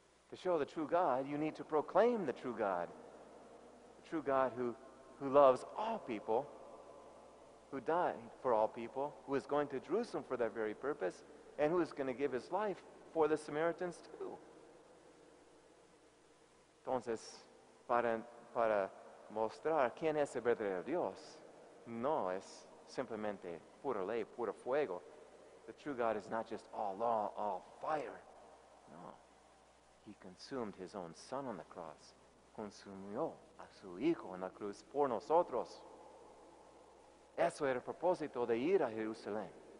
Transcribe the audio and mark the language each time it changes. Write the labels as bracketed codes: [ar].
[en] To show the true God, you need to proclaim the true God. The true God who loves all people, who died for all people, who is going to Jerusalem for that very purpose, and who is going to give his life for the Samaritans too. [es] Entonces, para mostrar quién es el verdadero Dios, no es simplemente pura ley, puro fuego. [en] The true God is not just all law, all fire. No. He consumed his own son on the cross. [es] Consumió a su hijo en la cruz por nosotros. Eso era el propósito de ir a Jerusalén.